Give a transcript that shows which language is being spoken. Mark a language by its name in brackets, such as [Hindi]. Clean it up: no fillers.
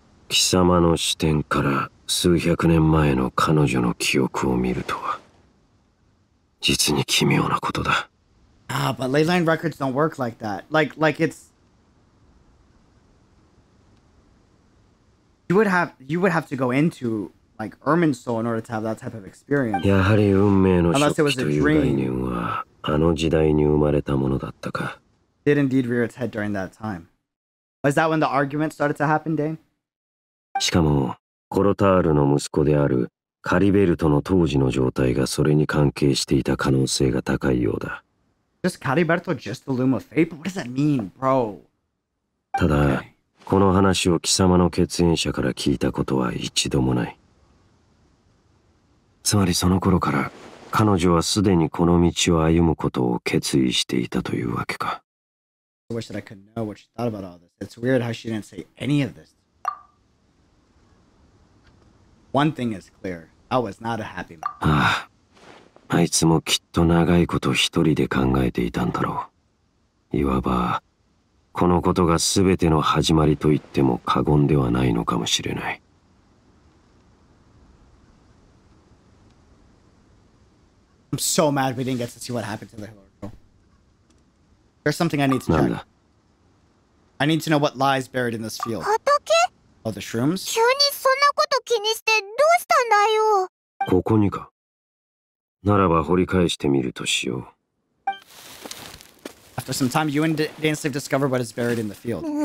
[Japanese] 貴様の視点から数百年前の彼女の記憶を見るとは、実に奇妙なことだ。 [English] Ah, but ley line records don't work like that. Like it's... You would have to go into, like, Ermin's soul in order to have that type of experience. [Japanese] やはり運命の初期という概念は、あの時代に生まれたものだったか。 [English] Did indeed rear its head during that time. Was that when the argument started to happen, Dane? [Japanese] しかも、コロタールの息子であるカリベルトの当時の状態がそれに関係していた可能性が高いようだ。 [English] Just Caribert, just the loom of fate? But what does that mean, bro? [Japanese] ただ、この話を貴様の血縁者から聞いたことは一度もない。つまりその頃から、彼女はすでにこの道を歩むことを決意していたというわけか。 [English] I wish that I could know what she thought about all this. It's weird how she didn't say any of this. One thing is clear. I was not a happy man. [Japanese] ああ。あいつもきっと長いこと一人で考えていたんだろう。いわば、このことが全ての始まりと言っても過言ではないのかもしれない。 [English] I'm so mad we didn't get to see what happened to the Hill Girl. There's something I need to check. [Japanese] なんだ? [English] I need to know what lies buried in this field. [Japanese] 畑? [English] Oh, the shrooms? [Japanese] 急にそんなこと気にしてどうしたんだよ。ここにか。ならば掘り返してみるとしよう。 [English] After some time, you and Dainsleif discover what is buried in the field.